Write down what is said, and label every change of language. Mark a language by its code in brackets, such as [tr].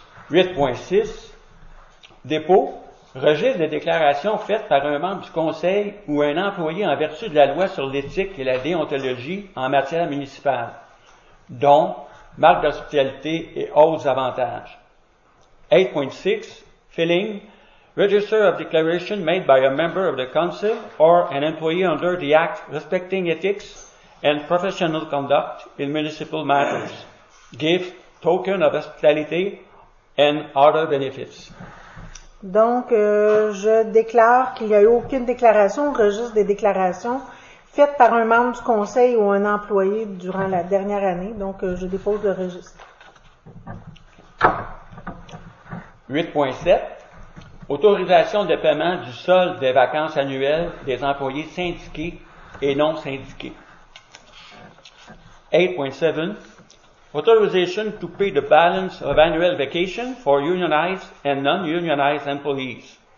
[fr] 8.6, dépôt, registre de déclarations faites par un membre du conseil ou un employé en vertu de la loi sur l'éthique et la déontologie en matière municipale, dont marque d'hospitalité et autres avantages. [en] 8.6, filling, register of declaration made by a member of the council or an employee under the act respecting ethics and professional conduct in municipal matters. Give token of hospitality and other benefits. [fr] Donc, je déclare qu'il n'y a eu aucune déclaration au registre des déclarations faites par un membre du conseil ou un employé durant la dernière année. Donc, je dépose le registre. 8.7. Autorisation de paiement du solde des vacances annuelles des employés syndiqués et non syndiqués. 8.7. [en] Authorization to pay the balance of annual vacation for unionized and non-unionized employees.